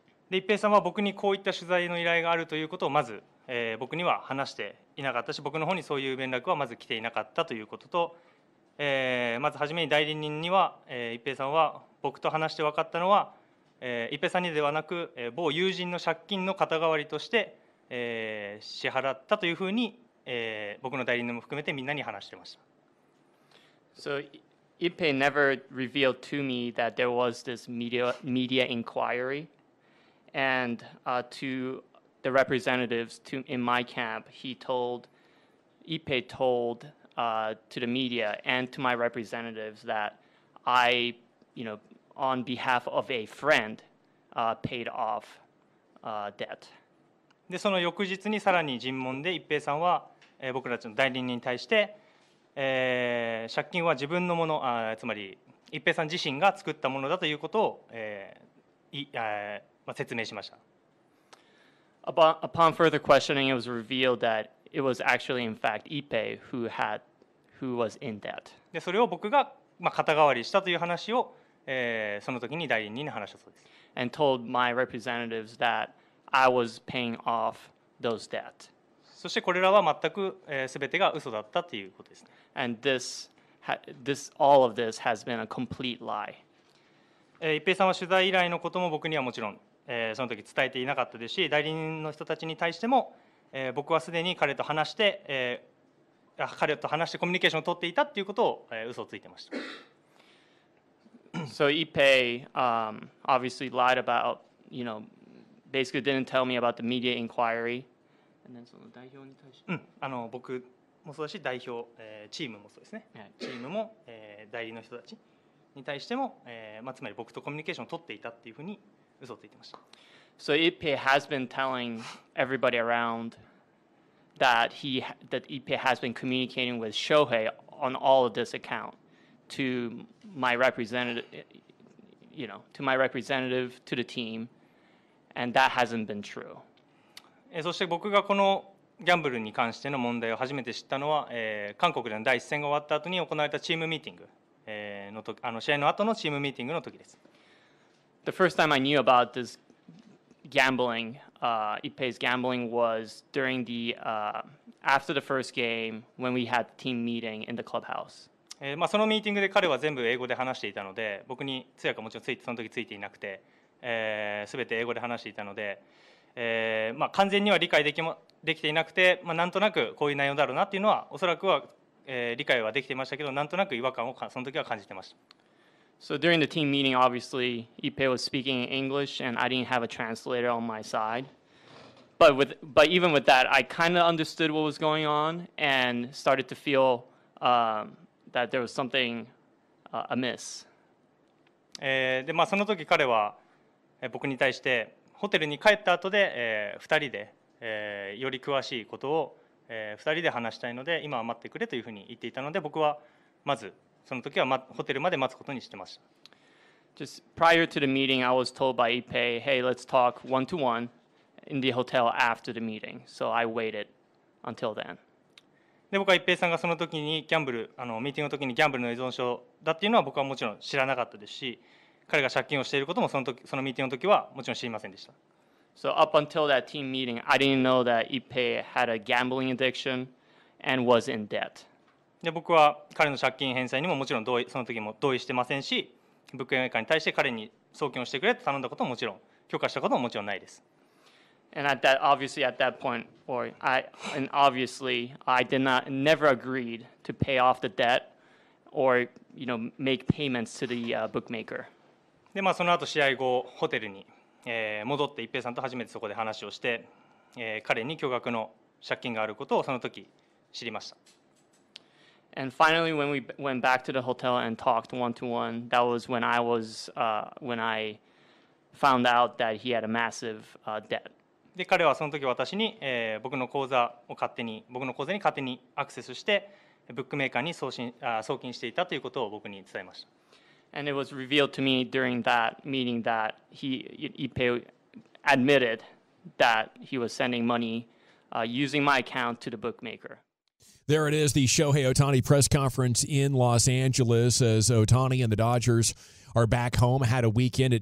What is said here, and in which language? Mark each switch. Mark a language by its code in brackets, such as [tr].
[ja] で、一平さんは僕にこういった取材の依頼があるということをまず、僕には話していなかったし、僕の方にそういう連絡はまず来ていなかったということと。まずはじめに代理人には、一平さんは僕と話して分かったのは、一平さんにではなく、某友人の借金の肩代わりとして、支払ったというふうに、僕の代理人も含めてみんなに話してました。 [en] So, Ipe never revealed to me that there was this media inquiry. And to the representatives in my camp, Ipe told to the media and to my representatives that I, you know, on behalf of a friend, paid off debt. [ja] で、その翌日にさらに尋問で一平さんは、僕たちの代理人に対して、借金は自分のもの、つまり一平さん自身が作ったものだということを、まあ、説明しました。 [en] Upon further questioning, it was revealed that it was actually, in fact, Ipe who was in debt. [ja] で、それを僕が、まあ、肩代わりしたという話を、その時に代理人に話したそうです。 [en] And told my representatives that I was paying off those debt. [ja] そしてこれらは全く、全てが嘘だったということですね。 [en] And this all of this has been a complete lie. [ja] 一平さんは取材依頼のことも僕にはもちろん、その時伝えていなかったですし、代理人の人たちに対しても、僕はすでに彼と話して、彼と話してコミュニケーションを取っていたということを、嘘をついてました。 [en] So Ipe obviously lied about, you know, basically didn't tell me about the media inquiry. And then [ja] その代表に対して、うん、僕もそうだし代表、チームもそうですね。チームも、代理の人たちに対しても、まあ、つまり僕とコミュニケーションを取っていたっていうふうに嘘をついてました。 [en] So Ipe has been telling everybody around. That Ipe has been communicating with Shohei on all of this account to my representative, you know, to my representative, to the team, and that hasn't been true. [ja] そして僕がこのギャンブルに関しての問題を初めて知ったのは、韓国での第一戦が終わった後に行われたチームミーティングの時、試合の後のチームミーティングの時です。 [en] The first time I knew about this gambling. Ipe's gambling was during the after the first game when we had team meeting in the clubhouse. [ja] まあ、そのミーティングで彼は全部英語で話していたので、僕に通訳はもちろんその時ついていなくて、全て英語で話していたので、まあ、完全には理解できていなくて、まあ、なんとなくこういう内容だろうなっていうのはおそらくは、理解はできていましたけど、なんとなく違和感をその時は感じていました。 [en] So during the team meeting, obviously, Ipe was speaking in English, and I didn't have a translator on my side. But even with that, I kind of understood what was going on and started to feel that there was something amiss. [ja] で、まあ、その時彼は僕に対してホテルに帰った後で、2人で、より詳しいことを、2人で話したいので、今は待ってくれというふうに言っていたので、僕はまず、その時はホテルまで待つことにしてました。 [en] Just prior to the meeting, I was told by Ipe, hey, let's talk one-to-one in the hotel after the meeting. So I waited until then. [ja] で、僕は Ipe さんがその時にギャンブル、ミーティングの時にギャンブルの依存症だっていうのは僕はもちろん知らなかったですし、彼が借金をしていることもそのミーティングの時はもちろん知りませんでした。 [en] So up until that team meeting, I didn't know that Ipe had a gambling addiction and was in debt. [ja] で僕は彼の借金返済にももちろん同意その時も同意してませんし、物件会社に対して彼に送金をしてくれと頼んだことももちろん許可したことももちろんないです。 [en] And at that, obviously at that point, or I, and obviously I did not never agreed to pay off the debt or you know make payments to the bookmaker. [ja] でまあその後試合後ホテルに、戻って一平さんと初めてそこで話をして、彼に巨額の借金があることをその時知りました。 [en] And finally, when we went back to the hotel and talked one-to-one, that was when I was, when I found out that he had a massive debt. [ja] で、彼はその時私に、僕の口座を勝手に、僕の口座に勝手にアクセスして、ブックメーカーに送金していたということを僕に伝えました。 [en] And it was revealed to me during that meeting that Ipe admitted that he was sending money using my account to the bookmaker. There it is, the Shohei Ohtani press conference in Los Angeles as Ohtani and the Dodgers are back home, had a weekend.